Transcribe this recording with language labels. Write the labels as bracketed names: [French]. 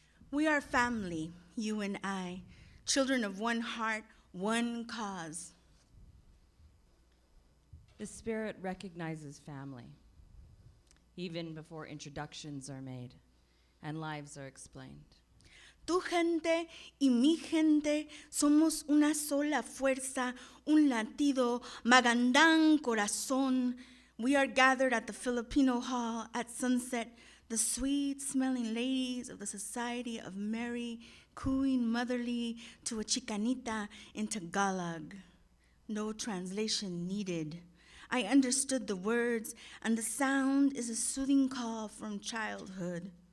[English] We are family, you and I, children of one heart, one cause. The spirit recognizes family, even before introductions are made and lives are explained. [Spanish] Tu gente y mi gente somos una sola fuerza, un latido, [Filipino] magandang [Spanish] corazón. [English] We are gathered at the Filipino Hall at sunset. The sweet-smelling ladies of the Society of Mary, cooing motherly to a chicanita in Tagalog. No translation needed. I understood the words, and the sound is a soothing call from childhood.